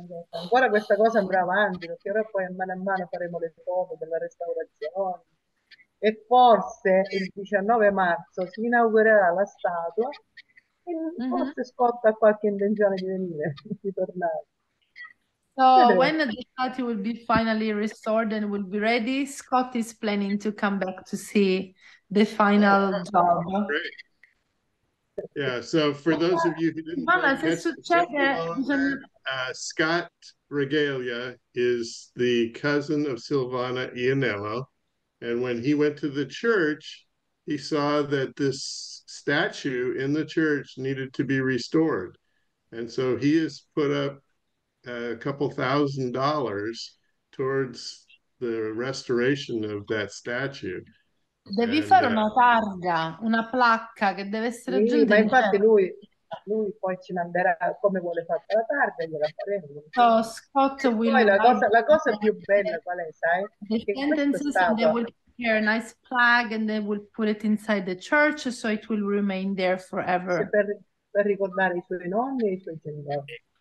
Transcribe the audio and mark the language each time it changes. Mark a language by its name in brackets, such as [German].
[Italian] Ancora questa cosa andrà avanti, perché ora poi a mano faremo le foto della restaurazione, e forse il 19 marzo si inaugurerà la statua, e forse Scott ha qualche intenzione di venire, di tornare. [English] So when the statue will be finally restored and will be ready, Scott is planning to come back to see the final job. Yeah, so for those of you who didn't catch, Scott Regalia is the cousin of Silvana Ianello. And when he went to the church, he saw that this statue in the church needed to be restored. And so he has put up a couple thousand dollars towards the restoration of that statue. [Italian] Devi fare una targa, una placca che deve essere aggiunta. Sì, ma infatti lui poi ci manderà come vuole fare la targa, gliela faremo. [English] So Scott will. [Italian] Poi la cosa più bella qual è, sai? [English] They will prepare a nice plaque and they will put it inside the church, so it will remain there forever. [Italian] Per ricordare i suoi nonni e i suoi genitori.